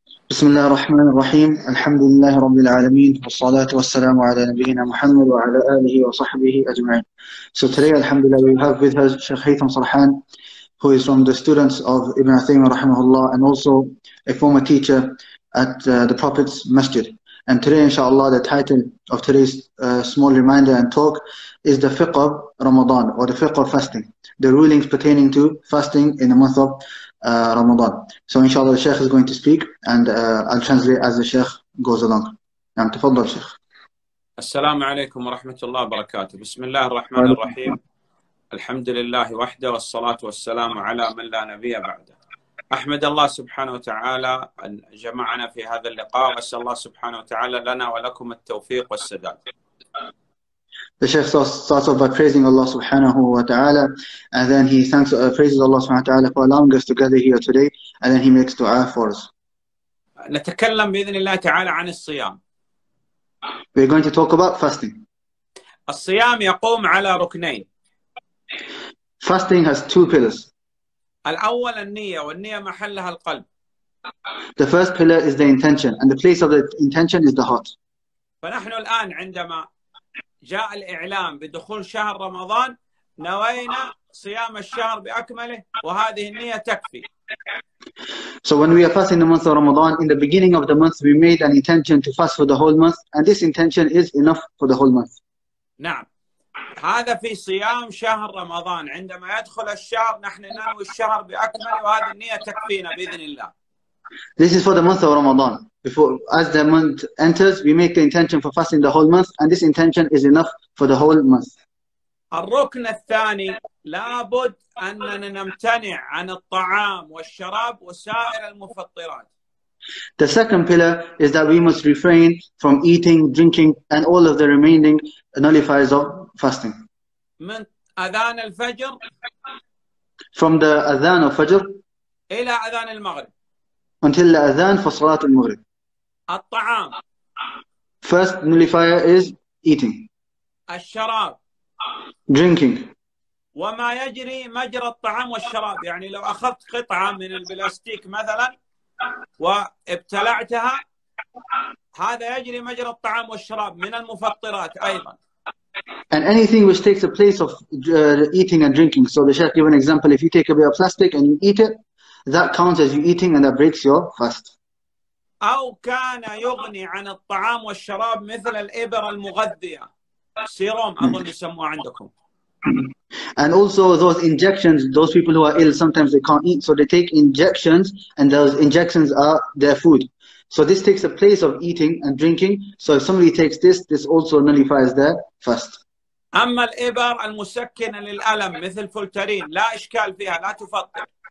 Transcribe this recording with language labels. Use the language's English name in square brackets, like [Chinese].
[Arabic] بسم الله الرحمن الرحيم، الحمد لله رب العالمين، والصلاة والسلام على نبينا محمد وعلى آله وصحبه أجمعين. [English] So today, alhamdulillah, we have with us Sheikh Haitham Sarhan, who is from the students of Ibn Uthaymeen rahimahullah, and also a former teacher at the Prophet's Masjid. And today, inshallah, the title of today's small reminder and talk is the fiqh of Ramadan, or the fiqh of fasting, the rulings pertaining to fasting in the month of Ramadan. So inshallah, the Sheikh is going to speak, and I'll translate as the Sheikh goes along. Now, tafaddal, Sheikh. [Arabic] Assalamu alaikum wa rahmatullahi wa barakatuh. Bismillah ar-Rahman ar-Rahim. Alhamdulillah wahda wa salatu wa salamu ala man la nabiya ba'da. أحمد الله سبحانه وتعالى أن جمعنا في هذا اللقاء وأسأل الله سبحانه وتعالى لنا ولكم التوفيق والسداد. [English] The Sheikh starts off by praising Allah subhanahu wa ta'ala, and then he thanks, praises Allah subhanahu wa ta'ala for allowing us to gather here today, and then he makes dua for us. [Arabic] نتكلم بإذن الله تعالى عن الصيام. [English] We're going to talk about fasting. [Arabic] الصيام يقوم على ركنين. [English] Fasting has two pillars. [Arabic] الأول النية، والنية محلها القلب. [English] The first pillar is the intention, and the place of the intention is the heart. [Arabic] فنحن الآن عندما جاء الإعلام بدخول شهر رمضان نوينا صيام الشهر بأكمله، وهذه النية تكفي. [English] So when we are fasting the month of Ramadan, in the beginning of the month we made an intention to fast for the whole month, and this intention is enough for the whole month. [Arabic] نعم. هذا في صيام شهر رمضان عندما يدخل الشهر نحن ننوي الشهر بأكمله وهذه النية تكفينا بإذن الله. [English] This is for the month of Ramadan. Before, as the month enters, we make the intention for fasting the whole month, and this intention is enough for the whole month. [Arabic] الركن الثاني لابد أننا نمتنع عن الطعام والشراب وسائر المفطرات. [English] The second pillar is that we must refrain from eating, drinking, and all of the remaining nullifiers of fasting. [Arabic] من أذان الفجر. [English] From the أذان الفجر. [Arabic] إلى أذان المغرب. [English] Until the أذان for صلاة المغرب. [Arabic] الطعام. [English] First nullifier is eating. [Arabic] الشراب. [English] Drinking. [Arabic] وما يجري مجرى الطعام والشراب، يعني لو أخذت قطعة من البلاستيك مثلاً. وابتلعتها هذا يجري مجرى الطعام والشراب من المفطرات أيضا. [English] And anything which takes a place of eating and drinking. So the chef gave an example. If you take away a plastic and you eat it, that counts as you eating and that breaks your fast. [Arabic] أو كان يغني عن الطعام والشراب مثل الإبر المغذية سيروم أظن يسموه عندكم. [English] And also those injections, those people who are ill, sometimes they can't eat, so they take injections, and those injections are their food. So this takes the place of eating and drinking. So if somebody takes this, this also nullifies their fast. [Arabic] أما الإبر المسكنة للألم مثل فولترين لا إشكال فيها لا تفطر.